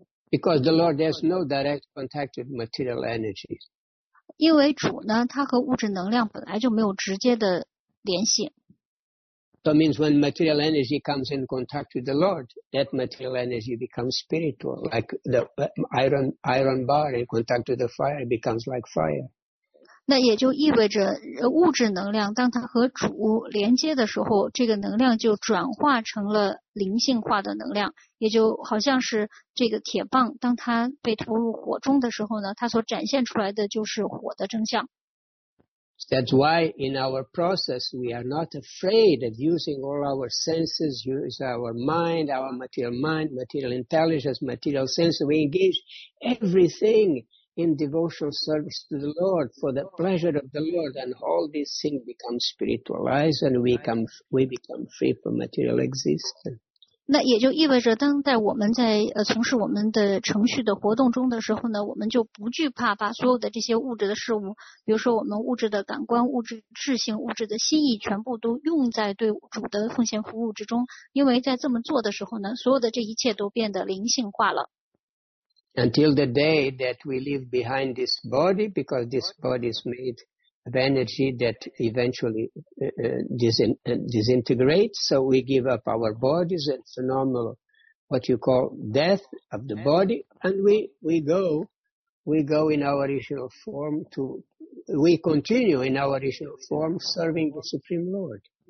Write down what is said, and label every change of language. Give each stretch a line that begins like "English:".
English: Because the Lord has no direct contact with material energy.
Chinese: 因为主呢，它和物质能量本来就没有直接的联系。
English: That means when material energy comes in contact with the Lord, that material energy becomes spiritual, like the iron bar in contact with the fire becomes like fire.
Chinese: 那也就意味着物质能量当它和主连接的时候，这个能量就转化成了灵性化的能量。也就好像是这个铁棒当它被投入火中的时候呢，它所展现出来的就是火的真相。
English: That's why in our process we are not afraid of using all our senses, use our mind, our material mind, material intelligence, material sense. We engage everything in devotional service to the Lord for the pleasure of the Lord, and all these things become spiritualized and we become free from material existence.
Chinese: 那也就意味着当在我们在从事我们的程序的活动中的时候呢，我们就不惧怕把所有的这些物质的事物，比如说我们物质的感官、物质智性、物质的心意全部都用在对主的奉献服务之中，因为在这么做的时候呢，所有的这一切都变得灵性化了。
English: Until the day that we leave behind this body, because this body is madeof energy that eventually disintegrates, so we give up our bodies and phenomenal what you call death of the body, and we go in our original form we continue in our original form serving the Supreme Lord.